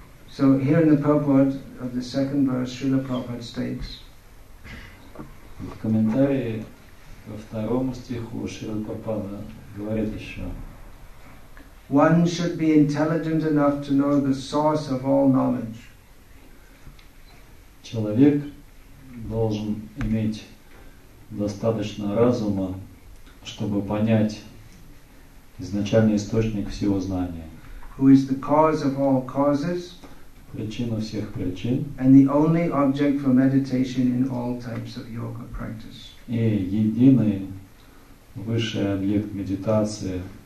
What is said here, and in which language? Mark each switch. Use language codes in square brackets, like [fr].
[en] So, here in the purport of the second verse, Srila Prabhupada states... [ru] В комментарии ко второму стиху Шрила Прабхупада говорит еще... [en] One should be intelligent enough to know the source of all knowledge. [ru] Человек должен иметь достаточно разума, чтобы понять изначальный источник всего знания. [en] Who is the cause of all causes? [ru] Причина всех причин. [en] And the only object for meditation in all types of yoga practice. [ru] И единый высший объект медитации.